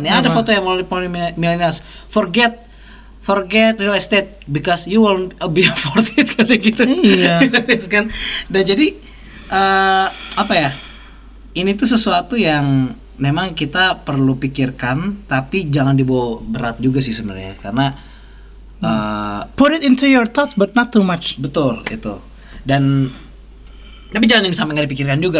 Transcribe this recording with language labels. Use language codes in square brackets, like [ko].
[id] Nih ada foto yang monopoli milenials. [en] Forget real estate because you will be afford it [id] kata gitu. Iya. Kan. Dan jadi apa ya? Ini tuh sesuatu yang memang kita perlu pikirkan tapi jangan dibawa berat juga sih sebenarnya karena [en] put it into your thoughts but not too much. [id] Betul itu. Dan tapi jangan yang sampai enggak dipikirkan juga.